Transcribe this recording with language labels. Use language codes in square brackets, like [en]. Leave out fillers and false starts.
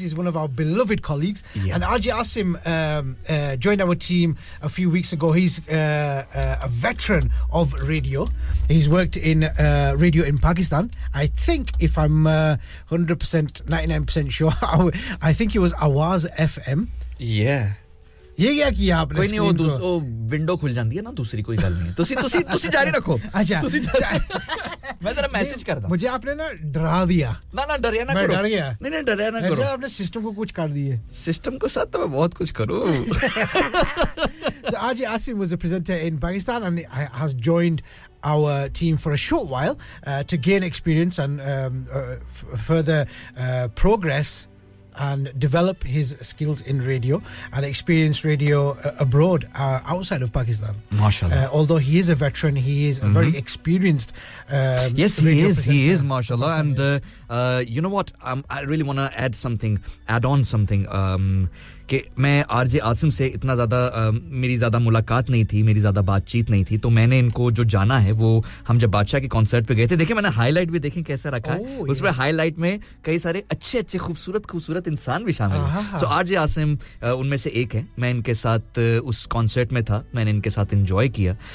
[en] He's one of our beloved colleagues. Yeah. And RJ Asim joined our team a few weeks ago. He's a veteran of radio. He's worked in radio in Pakistan. I think, if I'm 100%, 99% sure, I think it was Awaz FM. Yeah. [hi] ये क्या किया आपने कोई नहीं वो window खुल जाती है ना दूसरी कोई गल नहीं तुसी तुसी तुसी जारी रखो अच्छा तुसी मैं तेरा मैसेज कर दूं मुझे आपने ना डरा दिया ना ना डरिया ना मैं करो डर गया नहीं नहीं डरिया ना करो आपने सिस्टम को कुछ कर दिए सिस्टम को साथ तो मैं बहुत कुछ करूं [en] So RJ Asim was a presenter in Pakistan and has joined our team for a short while to gain experience and further progress and develop his skills in radio and experience radio abroad, outside of Pakistan. MashaAllah. Although he is a veteran, he is a very experienced Yes, he is. Presenter. He is, MashaAllah. And you know what? I really want to add on something. [hi] कि मैं RJ Asim से इतना ज्यादा मेरी ज्यादा मुलाकात नहीं थी मेरी ज्यादा बातचीत नहीं थी तो मैंने इनको जो जाना है वो हम जब बादशाह के कॉन्सर्ट पे गए थे देखिए मैंने हाईलाइट भी देखें कैसा रखा है उसमें हाईलाइट में कई सारे अच्छे-अच्छे खूबसूरत इंसान भी शामिल हैं सो आरजे आसिम उनमें से एक है मैं इनके साथ उस कॉन्सर्ट में था मैंने इनके साथ एंजॉय किया